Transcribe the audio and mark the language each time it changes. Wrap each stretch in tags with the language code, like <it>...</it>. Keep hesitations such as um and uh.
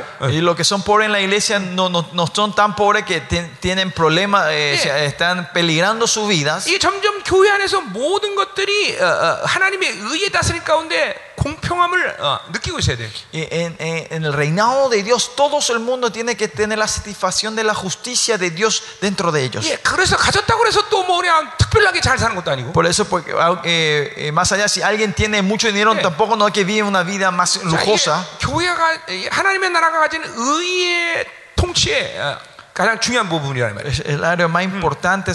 <es>Y los que son pobres en la iglesia no, no son tan pobres que tienen problemas. problema, eh, 예. están peligrando sus vidas.</es> <ko>점점 교회 안에서 모든 것들이 uh, uh, 하나님의 의에 다스린 가운데 공평함을 uh, 느끼고 있어야 돼.</ko> <es>En, en, en el reinado de Dios, todo el mundo tiene que tener la satisfacción de la justicia de Dios dentro de ellos.</es> <ko>예, 그래서 가졌다고 해서 또뭐 그냥 특별하게 잘 사는 것도 아니고.</ko> <es>Por eso, porque, uh, eh, más allá, si alguien tiene mucho dinero, 예. tampoco no hay que vivir una vida más lujosa.</es> <ko>자, 이게, 교회가, 하나님의 나라가 가진 의의 통치에.</ko> <es>Uh, Es el área más importante mm.</es>